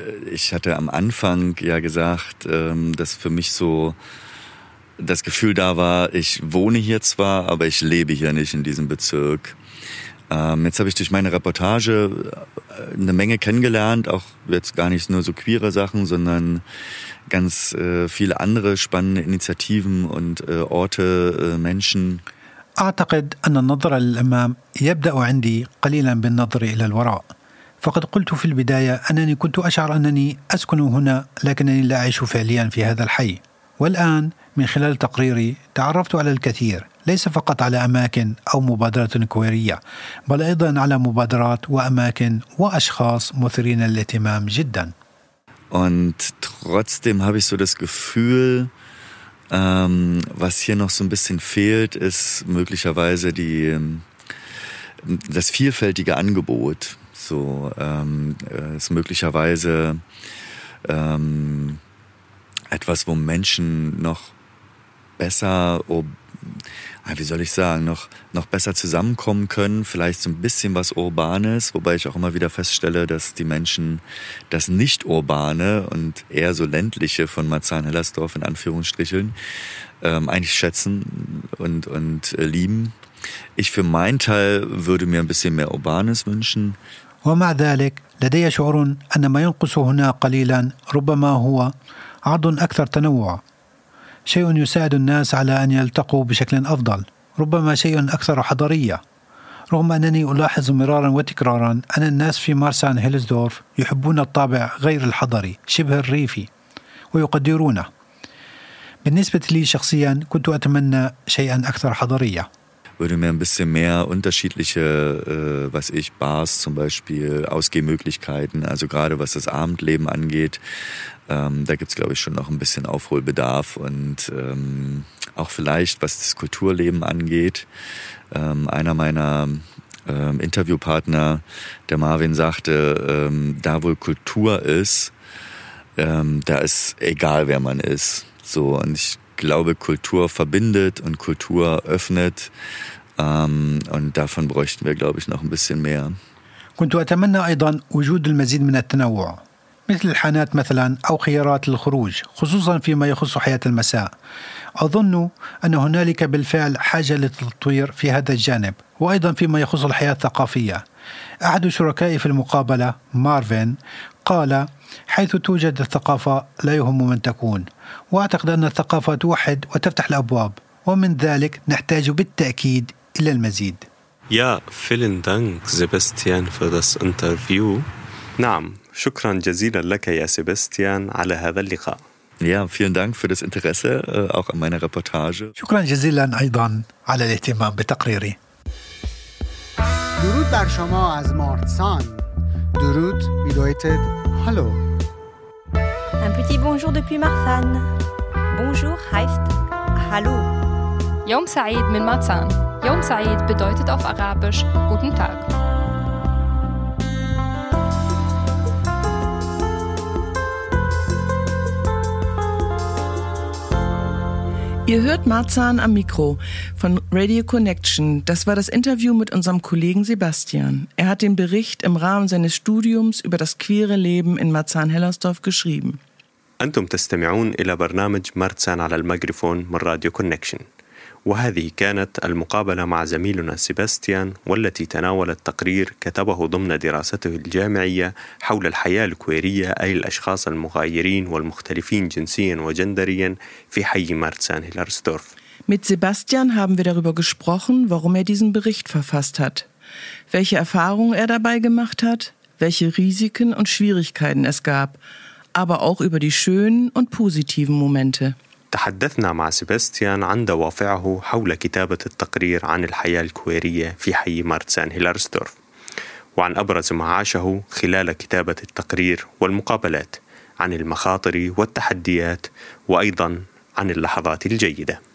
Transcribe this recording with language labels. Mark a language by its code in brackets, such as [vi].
[de] Ich hatte am Anfang ja gesagt, dass für mich so das Gefühl da war, ich wohne hier zwar, aber ich lebe hier nicht in diesem Bezirk. Jetzt habe ich durch meine Reportage eine Menge kennengelernt, auch jetzt gar nicht nur so queere Sachen, sondern ganz viele andere spannende Initiativen und Orte, Menschen. [ar] أعتقد أن النظر للأمام يبدأ عندي قليلا بالنظر إلى الوراء. فقد قلت في البداية أنني كنت أشعر أنني أسكن هنا لكنني لا أعيش فعليا في هذا الحي. والآن من خلال تقريري تعرفت على الكثير, ليس فقط على أماكن أو مبادرات كويرية, بل أيضا على مبادرات وأماكن وأشخاص مثيرين للاهتمام جدا. [de] Und trotzdem habe ich so das Gefühl, was hier noch so ein bisschen fehlt, ist möglicherweise das vielfältige Angebot. So ist möglicherweise etwas, wo Menschen noch besser, wie soll ich sagen, noch besser zusammenkommen können, vielleicht so ein bisschen was Urbanes, wobei ich auch immer wieder feststelle, dass die Menschen das Nicht-Urbane und eher so Ländliche von Marzahn-Hellersdorf in Anführungsstrichen eigentlich schätzen und lieben. Ich für meinen Teil würde mir ein bisschen mehr Urbanes wünschen. [ar] ومع ذلك لدي شعور أن ما ينقص هنا قليلا ربما هو عرض أكثر تنوع, شيء يساعد الناس على أن يلتقوا بشكل أفضل, ربما شيء أكثر حضارية. رغم أنني ألاحظ مرارا وتكرارا أن الناس في مارسان هيلسدورف يحبون الطابع غير الحضري شبه الريفي ويقدرونه. بالنسبة لي شخصيا كنت أتمنى شيئا أكثر حضارية. [de] Würde mir ein bisschen mehr unterschiedliche, Bars zum Beispiel, Ausgehmöglichkeiten, also gerade was das Abendleben angeht, da gibt es, glaube ich, schon noch ein bisschen Aufholbedarf und auch vielleicht, was das Kulturleben angeht. Einer meiner Interviewpartner, der Marvin, sagte, da wo Kultur ist, da ist egal, wer man ist. So, und ich glaube, Kultur verbindet und Kultur öffnet. Und davon bräuchten wir, glaube ich, noch ein bisschen mehr. [ar] كنت أتمنى أيضا وجود المزيد من التنوع, مثل الحانات مثلا أو خيارات للخروج, خصوصا فيما يخص حياة المساء. أظن أن هنالك بالفعل حاجة للتطوير في هذا الجانب, وأيضا فيما يخص الحياة الثقافية. أحد شركائي في المقابلة, مارفين, قال حيث توجد الثقافة لا يهم من تكون, وأعتقد أن الثقافة توحد وتفتح الأبواب, ومن ذلك نحتاج بالتأكيد إلى المزيد. [de] يا vielen Dank Sebastian für das Interview. [ar] نعم, شكرا جزيلا لك يا سيباستيان على هذا اللقاء. [de] Ja, vielen Dank für das Interesse auch an meiner Reportage. [ar] شكرا جزيلا أيضا على الاهتمام بتقريري. [fa] درود بر شما از مارتسان. [de] درود bedeutet hallo. [fr] Un petit bonjour depuis Marsan. [de] Bonjour heißt hallo. [ar] Yom Sa'id min Marsan. [de] Yom Sa'id bedeutet auf Arabisch guten Tag. Ihr hört Marzahn am Mikro von Radio Connection. Das war das Interview mit unserem Kollegen Sebastian. Er hat den Bericht im Rahmen seines Studiums über das queere Leben in Marzahn-Hellersdorf geschrieben. [ar] أنتم تستمعون إلى برنامج مارتسان على الميكروفون من راديو كونكشن وهذه كانت المقابلة مع زميلنا سيباستيان والتي تناولت تقرير كتبه ضمن دراسته الجامعية حول الحياة الكويرية أي الأشخاص المغايرين والمختلفين جنسيا وجندريا في حي مارتسان هيلرسدورف. [de] Mit Sebastian haben wir darüber gesprochen, warum er diesen Bericht verfasst hat, welche Erfahrungen er dabei gemacht hat, welche Risiken und Schwierigkeiten es gab, aber auch über die schönen und positiven Momente. [ar] تحدثنا مع سيباستيان عن دوافعه حول كتابة التقرير عن الحياة الكويرية في حي مارتسان هيلرسدورف وعن أبرز ما عاشه خلال كتابة التقرير والمقابلات عن المخاطر والتحديات وأيضا عن اللحظات الجيدة.